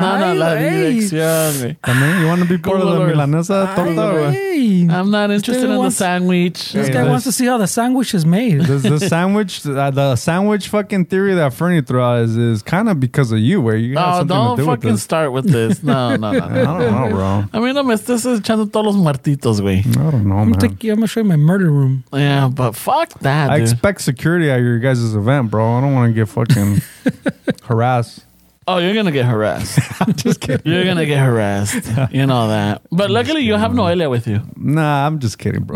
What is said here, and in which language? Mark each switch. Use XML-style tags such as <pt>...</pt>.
<es>No, la dirección, güey.</es> <en>También, you want to be part of the milanesa torta, güey? I'm not interested in the sandwich. This guy wants to see how the sandwich is made. The sandwich, the sandwich fucking theory that Fernie throws is kind of because of you, where you got something to do with this. Don't fucking start with this. No. I don't know, bro. I mean,</en> <es>no me estés echando todos los muertitos, güey.</es> <en>I don't know, man. I'm going to show you my murder room. Yeah, but fuck that, I expect security at your guys' event, bro. I don't want to get fucking harassed. Oh, you're gonna get harassed. I'm just kidding. You're gonna get harassed. You know that. But luckily, you have Noelia with you. Nah, I'm just kidding, bro.</en>